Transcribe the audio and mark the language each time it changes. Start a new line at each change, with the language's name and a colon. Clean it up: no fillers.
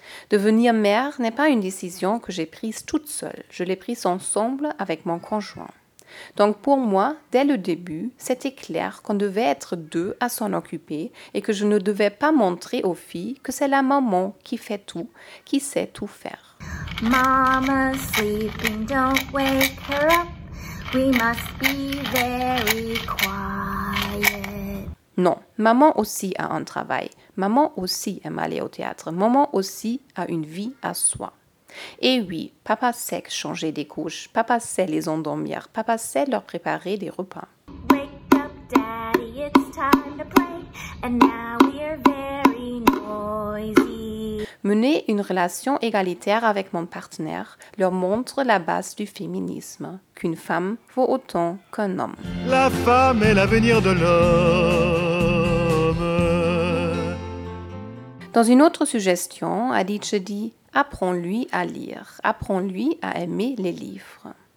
French: Devenir mère n'est pas une décision que j'ai prise toute seule. Je l'ai prise ensemble avec mon conjoint. Donc pour moi, dès le début, c'était clair qu'on devait être 2 à s'en occuper et que je ne devais pas montrer aux filles que c'est la maman qui fait tout, qui sait tout faire.
English: Mama sleeping, don't wake her up. We must be very quiet.
French: Non, maman aussi a un travail. Maman aussi aime aller au théâtre. Maman aussi a une vie à soi. Et oui, papa sait changer des couches. Papa sait les endormir. Papa sait leur préparer des repas.
English: Wake up, daddy, it's time to play, and now we're very noisy.
French: Mener une relation égalitaire avec mon partenaire leur montre la base du féminisme, qu'une femme vaut autant qu'un homme. La femme est l'avenir de l'homme. Dans une autre suggestion, Adige dit « Apprends-lui à lire, apprends-lui à aimer les livres ».